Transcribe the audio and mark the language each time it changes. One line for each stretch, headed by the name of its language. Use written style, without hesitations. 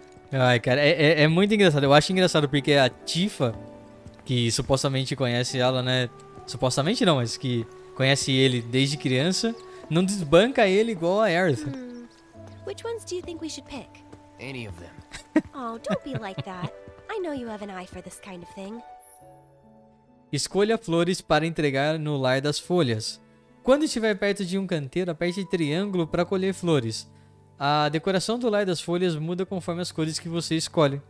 Portuguese: Ai, cara, é muito engraçado. Eu acho engraçado porque a Tifa, que supostamente conhece ela, né? Supostamente não, mas que conhece ele desde criança, não desbanca ele igual a Aerith.
English: Which ones do you think we should pick? Any of them. Oh, don't be like that. I know you have an eye for this kind of thing.
Portuguese: Escolha flores para entregar no lar das folhas. Quando estiver perto de um canteiro, aperte triângulo para colher flores. A decoração do lar das folhas muda conforme as cores que você escolhe.